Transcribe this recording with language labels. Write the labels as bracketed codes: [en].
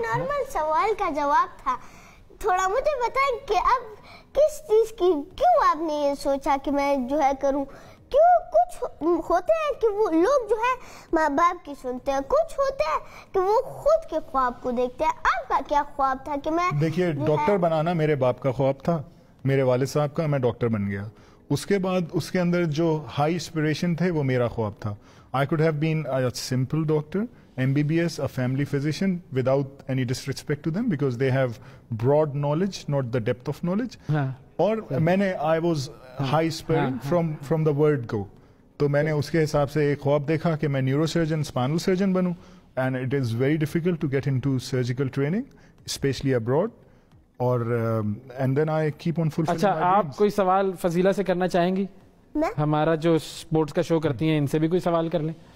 [ur] Normal سوال کا جواب تھا, تھوڑا مجھے بتائیں کہ اب کس چیز کی, کیوں آپ نے یہ سوچا کہ میں جو ہے کروں؟ کیوں کچھ ہوتے ہیں کہ وہ لوگ جو ہے ماں باپ کی سنتے ہیں, کچھ ہوتے ہیں کہ وہ خود کے خواب کو دیکھتے ہیں. آپ کا کیا خواب تھا کہ میں دیکھیے ڈاکٹر بنانا میرے باپ کا خواب تھا, میرے والد صاحب کا, میں ڈاکٹر بن گیا. اس کے بعد اس کے اندر جو ہائی اسپریشن تھے وہ میرا خواب تھا. [en] I could have been a simple doctor, MBBS, a family physician, without any disrespect to them because they have broad knowledge, not the depth of knowledge. Or I was high spirit from the word go. [ur] تو میں نے اس کے حساب سے ایک خواب دیکھا کہ میں neuro surgeon spinal surgeon Bannu, [en] And it is very difficult to get into surgical training specially abroad اور and then I keep on fulfilling. [ur] اچھا آپ کوئی سوال فضیلہ سے کرنا چاہیں گی؟ ہمارا جو اسپورٹس کا شو کرتی ہیں ان سے بھی کوئی سوال کر لیں.